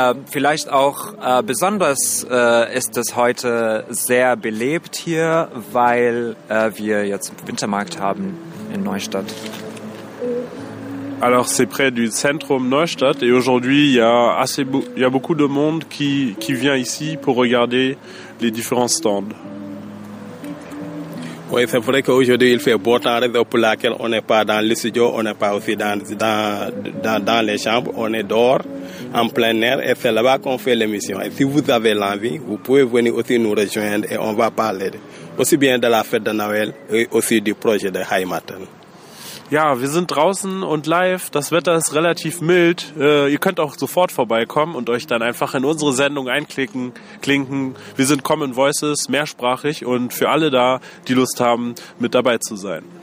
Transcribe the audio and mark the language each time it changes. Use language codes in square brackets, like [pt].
[de] Vielleicht auch besonders ist es heute sehr belebt hier, weil wir jetzt Wintermarkt haben in Neustadt. [fr] Alors c'est près du Zentrum Neustadt et aujourd'hui il y a assez il y a beaucoup de monde qui vient ici pour regarder les différents stands. Oui, c'est vrai qu'aujourd'hui il fait beau temps, raison pour laquelle on n'est pas dans le studio, on n'est pas aussi dans les chambres, on est dehors en plein air et c'est là-bas qu'on fait l'émission. Et si vous avez l'envie, vous pouvez venir aussi nous rejoindre et on va parler aussi bien de la fête de Noël et aussi du projet de Heimaten. [de] Ja, wir sind draußen und live. Das Wetter ist relativ mild. Ihr könnt auch sofort vorbeikommen und euch dann einfach in unsere Sendung einklicken, klinken. Wir sind Common Voices, mehrsprachig und für alle da, die Lust haben, mit dabei zu sein.